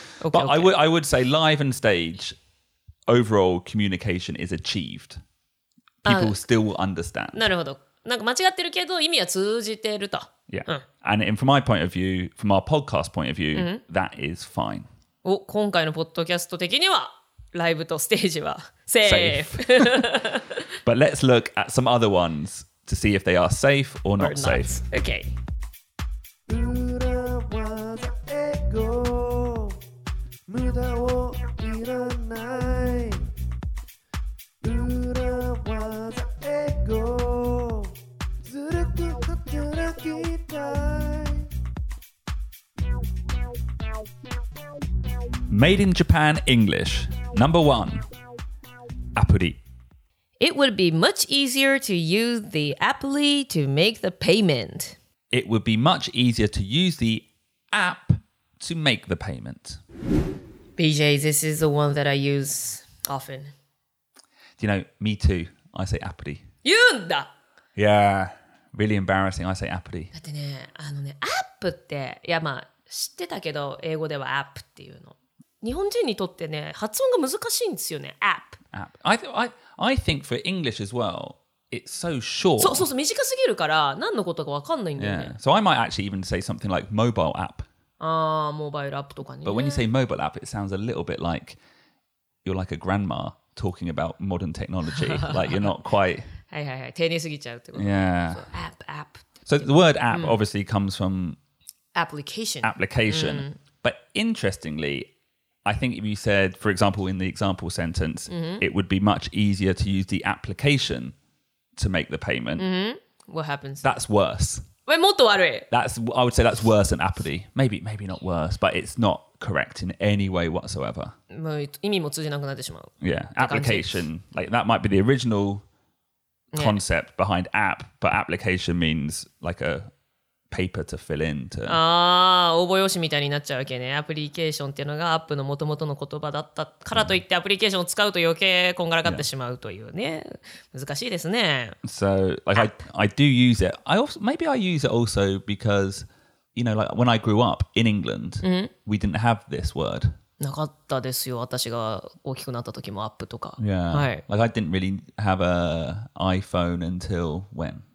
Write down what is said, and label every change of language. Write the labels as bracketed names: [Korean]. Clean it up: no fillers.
[English] okay, okay. But I would say live and stage, overall communication is achieved. People still will understand. [Japanese] なるほど。なんか間違ってるけど意味は通じてると。 [English] Yeah.、うん、And from my point of view, from our podcast point of view,、うん、that is fine. [Japanese] お、今回のポッドキャスト的には、ライブとステージはセーフ。 [English] Safe. But let's look at some other ones. To see if they are safe or not safe. Okay. Made in Japan English. Number one. Appuri. It would be much easier to use the Appli to make the payment. It would be much easier to use the app to make the payment. BJ, this is the one that I use often. Do you know, me too. I say Appli. [Japanese] 言うんだ! [English] Yeah, really embarrassing. I say Appli. [Japanese] だってね、あのね、App って、いやまあ、知ってたけど、英語では App っていうの。日本人にとってね、発音が難しいんですよね。 [English] App。 App。 I think for English as well, it's so short. [Japanese] そうそうそう、短すぎるから何のことか分かんないんだよね。 [English] Yeah. So I might actually even say something like mobile app. [Japanese] ああ、モバイルアップとかね。 [English] But when you say mobile app, it sounds a little bit like you're like a grandma talking about modern technology. like you're not quite... [Japanese] はいはいはい、丁寧すぎちゃうってこと。 [English] Yeah. So, app, app. So the word app obviously comes from... Application. Application. But interestingly... I think if you said, for example, in the example sentence, it would be much easier to use the application to make the payment. What happens? That's worse. Wait, [Japanese] もっと悪い. [English] That's, I would say that's worse than Appli. Maybe not worse, but it's not correct in any way whatsoever. [Japanese] もう意味も通じなくなってしまう. [English] Yeah, application. Like that might be the original concept behind app, but application means like a... paper to fill in to. [Japanese] ああ、応募用紙みたいになっちゃうわけね。アプリケーションっていうのがアップの元々の言葉だったからといってアプリケーションを使うと余計こんがらがってしまうというね。難しいですね。 [English] So, like, I do use it. I use it also because, you know, like, when I grew up in England, we didn't have this word. [Japanese] なかったですよ。私が大きくなった時もアップとか。 [English] Yeah. [Japanese] はい。 [English] Like, I didn't really have an iPhone until when?